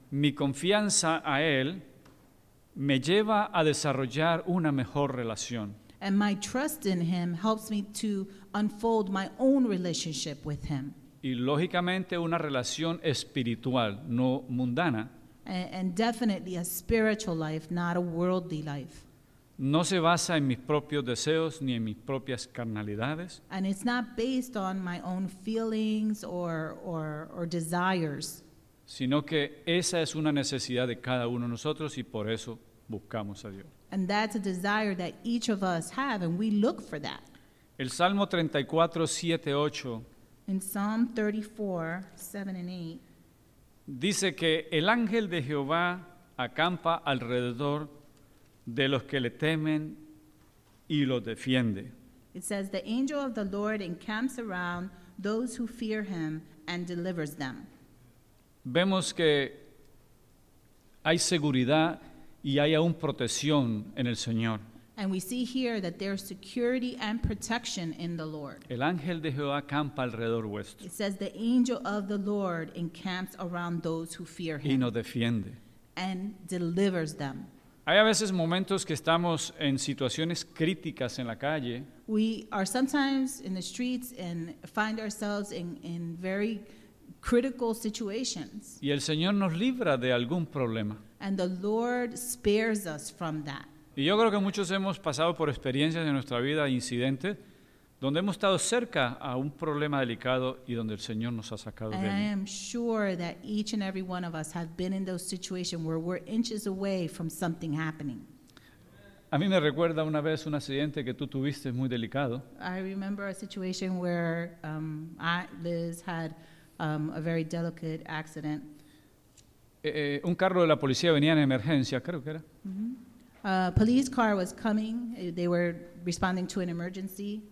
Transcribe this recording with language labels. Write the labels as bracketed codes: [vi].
[es] Mi confianza a él me lleva a desarrollar una mejor relación. [en] And my trust in him helps me to unfold my own relationship with him. [es] Y lógicamente una relación espiritual, no mundana. [en] And definitely a spiritual life, not a worldly life. [es] No se basa en mis propios deseos ni en mis propias carnalidades. [en] And it's not based on my own feelings or desires. [es] Sino que esa es una necesidad de cada uno de nosotros y por eso buscamos a Dios. [en] And that's a desire that each of us have and we look for that. [es] El Salmo 34:7-8. [en] In Psalm 34:7-8. [es] Dice que el ángel de Jehová acampa alrededor de los que le temen y los defiende. [en] It says the angel of the Lord encamps around those who fear him and delivers them. [es] Vemos que hay seguridad y hay aún protección en el Señor. [en] And we see here that there's security and protection in the Lord. [es] El ángel de Jehová acampa alrededor vuestro. [en] It says the angel of the Lord encamps around those who fear him. [es] Y nos defiende. [en] And delivers them. [es] Hay a veces momentos que estamos en situaciones críticas en la calle. [en] We are sometimes in the streets and find ourselves in very critical situations. [es] Y el Señor nos libra de algún problema. [en] And the Lord spares us from that. [es] Y yo creo que muchos hemos pasado por experiencias en nuestra vida, incidentes, donde hemos estado cerca a un problema delicado y donde el Señor nos ha sacado [en] and [es] de ahí. [en] I am sure that each and every one of us have been in those situations where we're inches away from something happening. [es] A mí me recuerda una vez un accidente que tú tuviste muy delicado. [en] I remember a situation where Liz had a very delicate accident. [es] Un carro de la policía venía en emergencia, creo que era. [en] A police car was coming. They were responding to an emergency.